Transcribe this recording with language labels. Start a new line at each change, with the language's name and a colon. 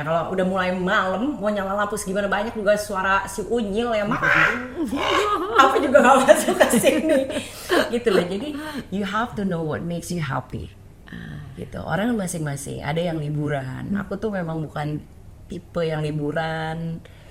Indonesian: Kalau udah mulai malam mau nyala lampu gimana, banyak juga suara si unyil ya. Aku juga nggak masuk ke sini. Gitu loh. Jadi
English: you have to know what makes you happy.
Indonesian: Gitu. Orang masing-masing. Ada yang liburan. Aku tuh memang bukan tipe yang liburan.